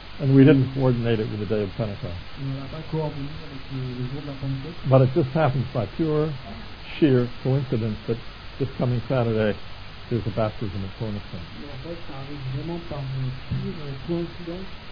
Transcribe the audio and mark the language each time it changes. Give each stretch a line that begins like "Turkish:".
English: And we didn't coordinate it with the day of Pentecost.
French: On n'a pas coordonné avec le jour de la Pentecôte.
English: But it just happens by pure, sheer coincidence that this coming Saturday there's a baptism at Cornerstone.
French: Mais en fait, ça arrive vraiment par une pure coïncidence.